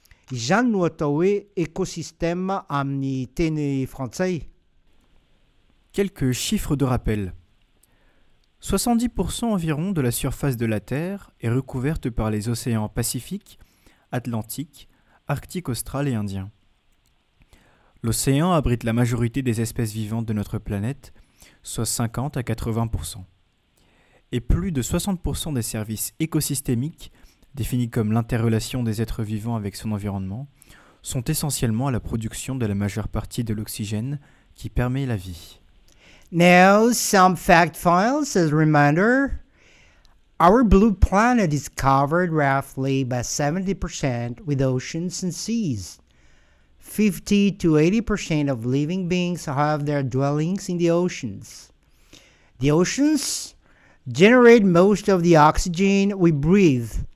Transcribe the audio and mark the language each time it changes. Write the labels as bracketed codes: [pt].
[mg] Izany no atao hoe écosystème amin'ny teny frantsay. [fr] Quelques chiffres de rappel. 70% environ de la surface de la Terre est recouverte par les océans Pacifique, Atlantique, Arctique austral et Indien. L'océan abrite la majorité des espèces vivantes de notre planète, soit 50 à 80%. Et plus de 60% des services écosystémiques, définis comme l'interrelation des êtres vivants avec son environnement, sont essentiellement à la production de la majeure partie de l'oxygène qui permet la vie. [en] Now, some fact files as a reminder. Our blue planet is covered roughly by 70% with oceans and seas. 50 to 80% of living beings have their dwellings in the oceans. The oceans generate most of the oxygen we breathe.